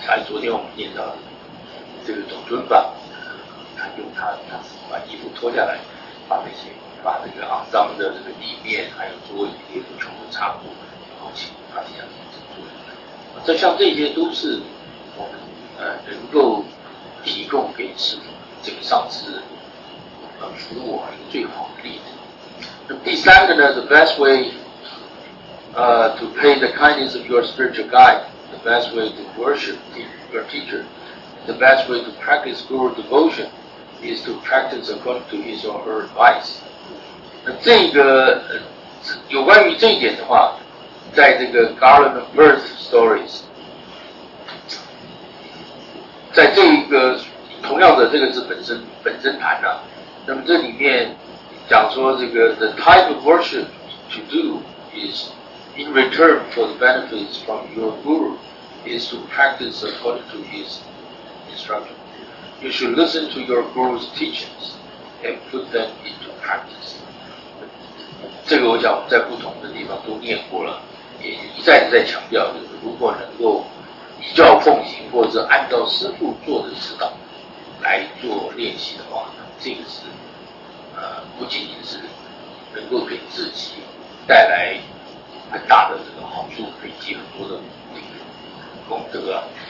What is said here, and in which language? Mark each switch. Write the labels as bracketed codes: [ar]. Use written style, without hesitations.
[zh] 像昨天我们念到这个董尊吧，他用他把衣服脱下来，把这个肮脏的这个地面还有桌椅也都全部擦过，然后请他这样子做。这像这些都是我们能够提供给师父这个上司服务我们最好的例子。那第三个呢 ， [en] the best way。 To pay the kindness of your spiritual guide, the best way to worship your teacher, the best way to practice guru devotion is to practice according to his or her advice. [zh] 那这个有关于这一点的话，在这个 Garland of Birth Stories， 在这个同样的这个是本身谈的、啊，那么这里面讲说这个 [en] the type of worship to do is。 In return for the benefits from your guru is to practice according to his instruction. You should listen to your guru's teachings and put them into practice. [zh] 这个我想在不同的地方都念过了，也一再的在强调，就是如果能够依教奉行或者按照师父做的指导来做练习的话，这个是不仅仅是能够给自己带来很大的这个好处，可以积很多的这个功德啊。